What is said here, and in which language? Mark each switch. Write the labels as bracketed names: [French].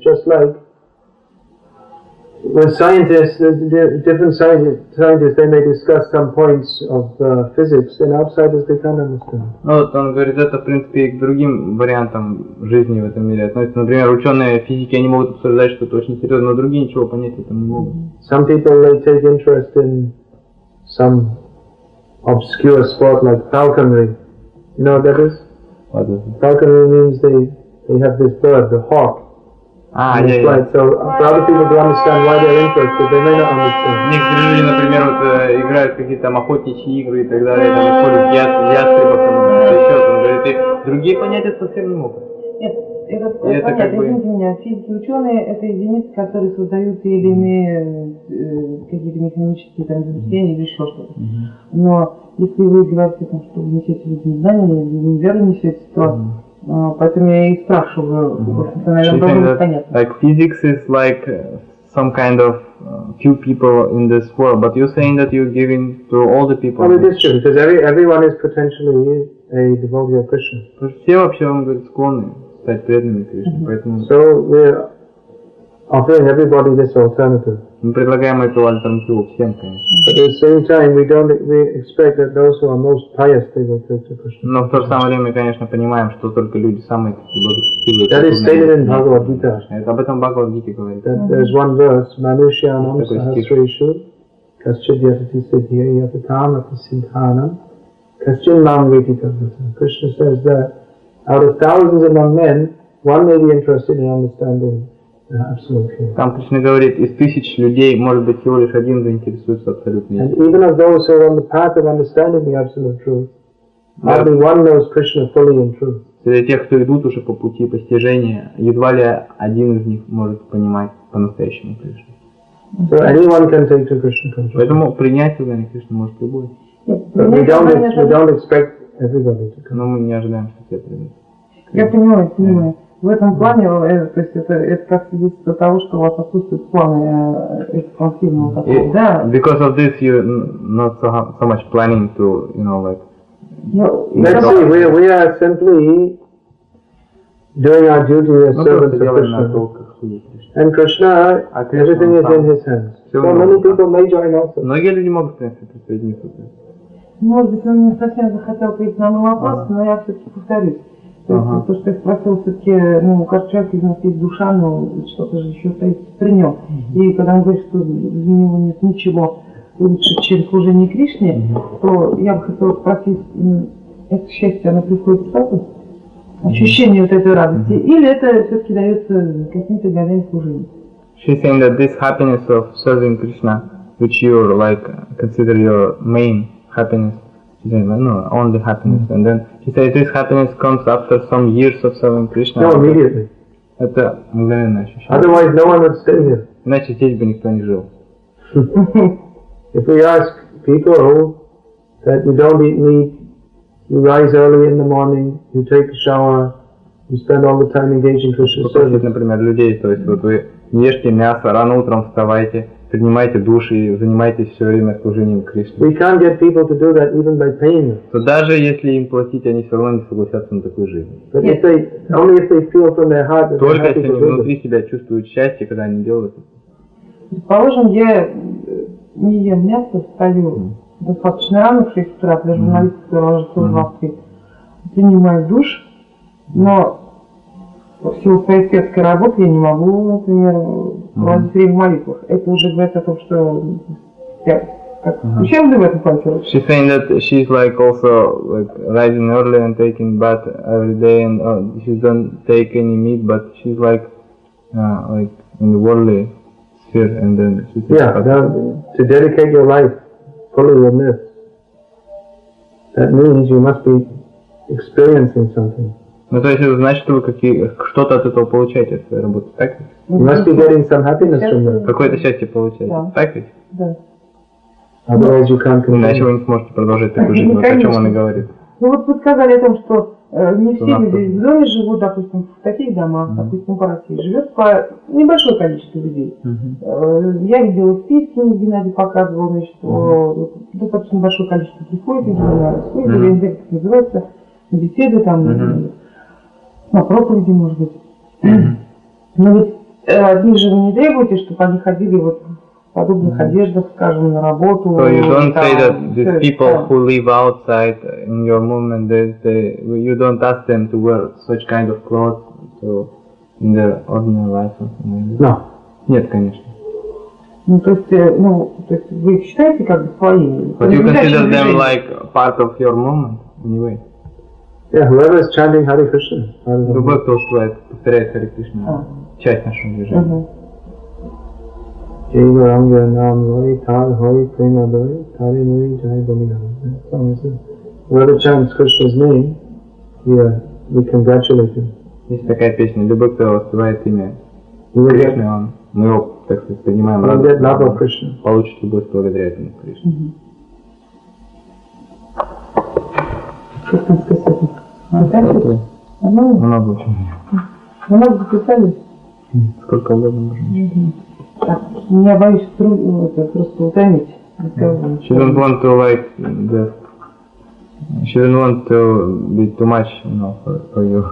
[English] Just like when different scientists they may discuss some points of physics, then outsiders they can't understand. [Russian] Ну вот он говорит, это в принципе к другим вариантам жизни в этом мире. Ну, например, ученые физики они могут обсуждать что-то очень серьезное, но другие ничего понять в этом не могут. [English] Some people they take interest in some obscure sport like falconry. You know what that is? What is it? Falconry means they have this bird, the hawk. Ah, yeah, flight. Yeah. So for other people to understand why they're interested, they may not understand. [Russian] Некоторые люди, например, вот играют какие-то там охотничьи игры и так далее, там используют ястребов, там еще там говорят, и другие понятия совсем не могут. Извините меня, физики ученые это единицы, которые создают те или иные какие-то механические там изобретения или еще что-то. Но если вы говорите о том, что вы несете людям знания или неверно несете, то поэтому я и спрашиваю, это, наверное, должно быть понятно. [English] Like physics is like some kind of few people in this world, but you're saying that you're giving to all the people. Well, it is true, because everyone is potentially a devotee of Krishna. [Russian] Потому что все вообще вам говорят склонны. Стать преданными Кришне, поэтому. [English] So we're offering everybody this alternative. [Russian] Мы предлагаем эту альтернативу всем, конечно. [English] But at the same time, we expect that those who are most pious they will take to Krishna. [Russian] Но в то же самое время, конечно, понимаем, что только люди самые благочестивые. [English] That is stated in Bhagavad Gita. [Russian] Это об этом Бхагавад Гите говорит. [English] That there is one verse, [Sanskrit] Manushya Namasahasrishu, Kaschid Yatati Siddhya Yatatam Ati Siddhana, Kaschid Mam Vititavata. [English] Krishna says that out of thousands among men, one may be interested in understanding the absolute truth. [Russian] Там Кришна говорит, из тысяч людей, может быть, всего лишь один заинтересуется абсолютной истиной. [English] And even of those who are on the path of understanding the absolute truth, only one knows Krishna fully and truly. [Russian] Среди тех, кто идут уже по пути постижения, едва ли один из них может понимать по-настоящему Кришну. [English] So anyone can take to Krishna consciousness. [Russian] Поэтому принять сознание Кришны может любой. [English] But we don't expect. [Russian] Но мы не ожидаем, что все придут. Я понимаю. Yeah. В этом плане, то есть это как свидетельство того, что у вас отсутствует план экспансивного такого. Да. [English] Because of this, you not so much planning to, you know, like. Let's see. We are simply doing our duty as servants of Krishna. And Krishna, everything is in His hands. So many people may join also. [Russian] Многие люди могут, конечно, присоединиться. Может быть, он не совсем захотел ответить на мой вопрос, но я все-таки повторюсь. То, что я спросил, все-таки, ну, у каждого человека из нас есть душа, но что-то же еще стоит при нем. И когда он говорит, что для него нет ничего лучше, чем служение Кришне, то я бы хотела спросить, это счастье, оно приходит сразу? Ощущение вот этой радости? Или это все-таки дается каким-то годами служения? [English] She's saying that this happiness of serving Krishna which you like consider your main happiness. She said, no, only happiness. Mm-hmm. And then she said, this happiness comes after some years of serving Krishna. No, immediately. [Russian] Это мгновенное ощущение. [English] Otherwise, no one would stay here. [Russian] Иначе здесь бы никто не жил. [English] If we ask people that you don't eat meat, you rise early in the morning, you take a shower, you spend all the time engaged in Krishna service. [Russian] Например, людей, то есть вот вы не ешьте мясо, рано утром вставайте, принимайте душ и занимайтесь все время служением Кришне. [English] We can't get people to do that even by paying them. [Russian] То даже если им платить, они все равно не согласятся на такую жизнь. [English] But if they, only if they feel from their heart that [Russian] только если они внутри себя чувствуют счастье, когда они делают это. Положим, я не ем мясо, встаю достаточно рано, в 6 утра, даже молиться, когда ложится в 2-3, принимаю душ, но в силу своей светской работы я не могу, например, проводить время в молитвах. Это уже говорит о том, что я как ученый в этом плане. [English] She saying that she's like also like rising early and taking bath every day, and she don't take any meat, but she's like, like in the worldly. Here, and then to dedicate your life fully on this, that means you must be experiencing something. [Russian] Ну то есть это значит, что вы что-то от этого получаете от своей работы, так? [English] You must be getting some happiness from it. [Russian] Какое-то счастье получаете, так ведь? Да. [English] Otherwise you can't continue. [Russian] Иначе вы не сможете продолжать такую жизнь. Вот о чем он и говорит. Ну вот вы сказали о том, что не все люди в доме живут, допустим, в таких домах, допустим, по России, живет по небольшое количество людей. Я видела списки, Геннадий показывал, значит, достаточно большое количество приходит, на беседы там, на проповеди, может быть. Но ведь одни же вы не требуете, чтобы они ходили вот в подобных одеждах, скажем, на работу. [English] So you don't say that these people who live outside in your movement, they you don't ask them to wear such kind of clothes to in their ordinary life or something like that? No. [Russian] Нет, конечно. То есть вы их считаете как бы своими? [English] But you consider them like part of your movement anyway. Yeah, whoever is chanting Hare Krishna. [Russian] Любой, кто успевает повторять Hare Krishna, часть нашего движения. [Bangla] Jivaranga nam loi tar hoi prema doi tari nui jai bani nam. [English] Whoever chants Krishna's name, we congratulate him. [Russian] Есть такая песня, любой, кто воспевает имя Кришны, он, мы его, так сказать, принимаем радость, получит любовь благодаря этому Кришне. Много очень. Много записали? Сколько угодно можно. Так, я боюсь просто утомить. [English] She doesn't want to like this. She doesn't want to be too much, you know, for you.